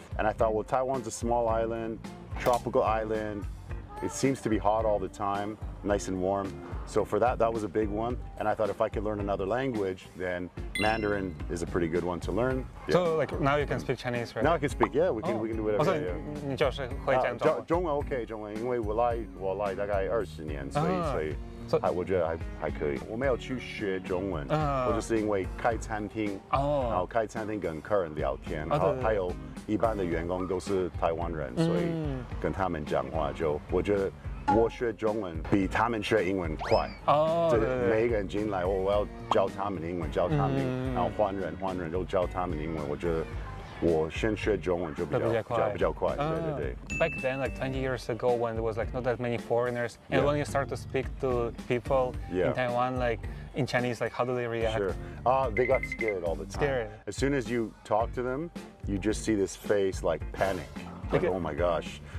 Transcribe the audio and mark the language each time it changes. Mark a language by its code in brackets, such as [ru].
[en] And I thought, well, Taiwan's a small island, tropical island. It seems to be hot all the time, nice and warm. So for that, that was a big one. And I thought if I could learn another language, then Mandarin is a pretty good one to learn. Yeah. So like now you can speak Chinese, right? Now I can speak, yeah, we can do whatever. Also, yeah, yeah. [zh] 你就是会讲中文。中文 OK， 中文，因为我来大概20年，所以。我觉得还可以。我没有去学中文，我就是因为开餐厅，然后开餐厅跟客人聊天，然后还有一般的员工都是台湾人，所以跟他们讲话就我觉得。我学中文比他们学英文快哦， oh, 就是每一个人进来，我要教他们英文，教他们，然后换人就教他们英文。我觉得我先学中文就比较快。对对对。 [en] Back then, like 20 years ago, when there was like not that many foreigners, and yeah. when you start to speak to people in Taiwan, like in Chinese, like how do they react? Sure. They got scared all the time. Scared. As soon as you talk to them, you just see this face like panic, like oh my gosh.